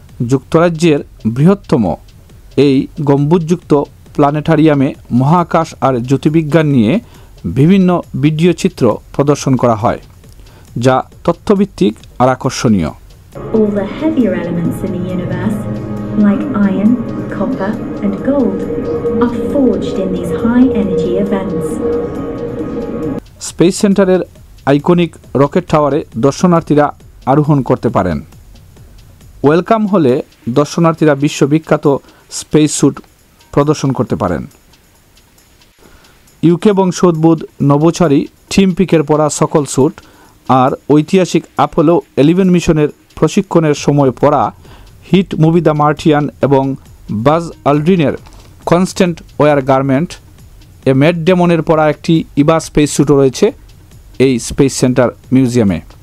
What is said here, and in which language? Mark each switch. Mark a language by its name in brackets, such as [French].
[Bangla] যুক্তরাজ্যের বৃহত্তম এই গম্বুজযুক্ত প্ল্যানেটারিয়ামে মহাকাশ আর জ্যোতির্বিজ্ঞান নিয়ে বিভিন্ন ভিডিও চিত্র প্রদর্শন করা হয় যা তথ্যভিত্তিক আর আকর্ষণীয়। [English] All the heavier elements in the universe, like iron, copper and gold, are forged in these high energy events. [Bangla] Space সেন্টারের আইকনিক রকেট টাওয়ারে দর্শনার্থীরা আরোহণ করতে পারেন। ওয়েলকাম হলে দর্শনার্থীরা বিশ্ববিখ্যাত স্পেস স্যুট প্রদর্শন করতে পারেন। ইউকে বংশোদ্ভূত নভোচারী টিম পিকের পরা সকল স্যুট আর ঐতিহাসিক অ্যাপোলো 11 মিশনের প্রশিক্ষণের সময় পরা হিট মুভি দ্য মার্টিয়ান এবং বাজ অলড্রিনের constant war garment, a mat ডেমনের পরা একটি ইবা স্পেস স্যুটও রয়েছে এই স্পেস সেন্টার মিউজিয়ামে।